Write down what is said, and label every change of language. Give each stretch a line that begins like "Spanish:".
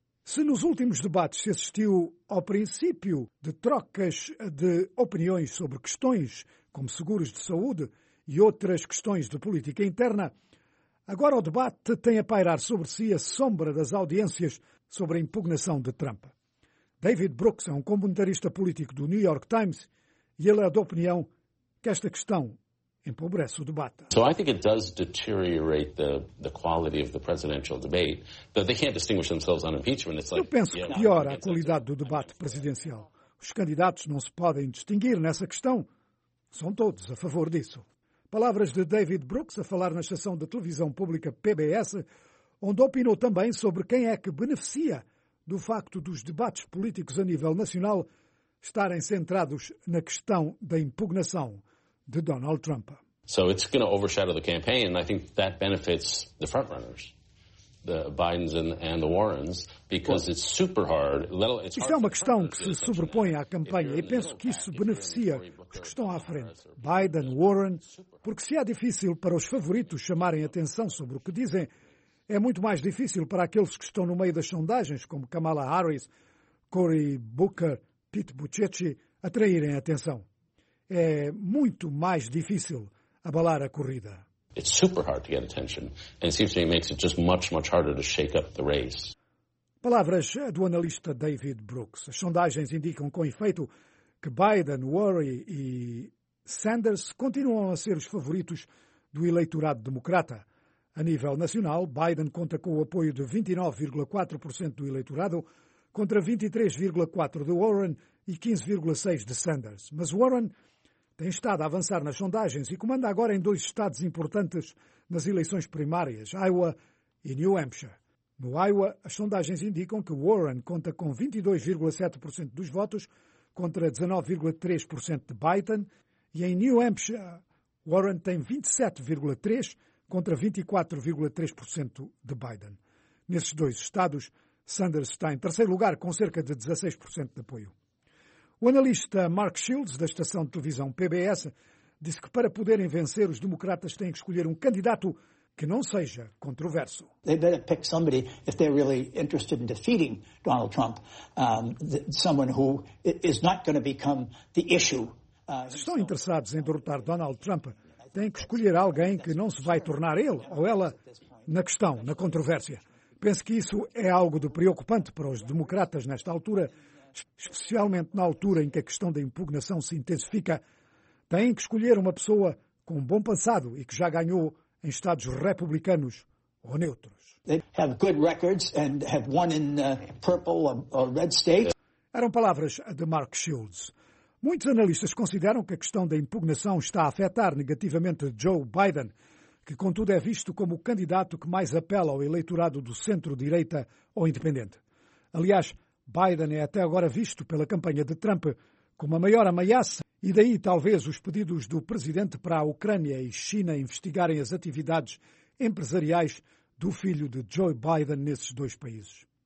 Portuguese: Se nos últimos debates se assistiu ao princípio de trocas de opiniões sobre questões como seguros de saúde e outras questões de política interna, agora o debate tem a pairar sobre si a sombra das audiências sobre a impugnação de Trump. David Brooks é um comentarista político do New York Times e ele é da opinião que esta questão empobrece o debate.
English: So I think it does deteriorate the quality of the presidential debate, that they can't distinguish themselves on impeachment.
Portuguese: Eu penso que piora a qualidade do debate presidencial. Os candidatos não se podem distinguir nessa questão. São todos a favor disso. Palavras de David Brooks a falar na estação de televisão pública PBS, onde opinou também sobre quem é que beneficia do facto dos debates políticos a nível nacional estarem centrados na questão da impugnação de Donald Trump.
English: So it's going to overshadow the campaign, and I think that benefits the front runners, the Bidens and the Warrens, because it's super hard.
Portuguese: Isto é uma questão que se sobrepõe à campanha e penso que isso beneficia os que estão à frente, Biden, Warren, porque se é difícil para os favoritos chamarem atenção sobre o que dizem, é muito mais difícil para aqueles que estão no meio das sondagens, como Kamala Harris, Cory Booker, Pete Buttigieg, atraírem atenção. É muito mais difícil abalar a corrida.
English: It's super hard to get attention, and it seems to me makes it just much harder to shake up the race.
Portuguese: Palavras do analista David Brooks. As sondagens indicam com efeito que Biden, Warren e Sanders continuam a ser os favoritos do eleitorado democrata. A nível nacional, Biden conta com o apoio de 29,4% do eleitorado contra 23,4% de Warren e 15,6% de Sanders. Mas Warren tem estado a avançar nas sondagens e comanda agora em dois estados importantes nas eleições primárias, Iowa e New Hampshire. No Iowa, as sondagens indicam que Warren conta com 22,7% dos votos contra 19,3% de Biden e em New Hampshire, Warren tem 27,3% contra 24,3% de Biden. Nesses dois estados, Sanders está em terceiro lugar com cerca de 16% de apoio. O analista Mark Shields, da estação de televisão PBS, disse que para poderem vencer, os democratas têm que escolher um candidato que não seja controverso.
English: They better pick somebody if they're really interested in defeating Donald Trump, someone who is not going to become the issue.
Portuguese: Se estão interessados em derrotar Donald Trump, têm que escolher alguém que não se vai tornar ele ou ela na questão, na controvérsia. Penso que isso é algo de preocupante para os democratas nesta altura, especialmente na altura em que a questão da impugnação se intensifica. Têm que escolher uma pessoa com um bom passado e que já ganhou em estados republicanos ou neutros.
English: They have good records and have won in purple or red states.
Portuguese: Eram palavras de Mark Shields. Muitos analistas consideram que a questão da impugnação está a afetar negativamente Joe Biden, que contudo é visto como o candidato que mais apela ao eleitorado do centro-direita ou independente. Aliás, Biden é até agora visto pela campanha de Trump como a maior ameaça, e daí talvez os pedidos do presidente para a Ucrânia e China investigarem as atividades empresariais do filho de Joe Biden nesses dois países.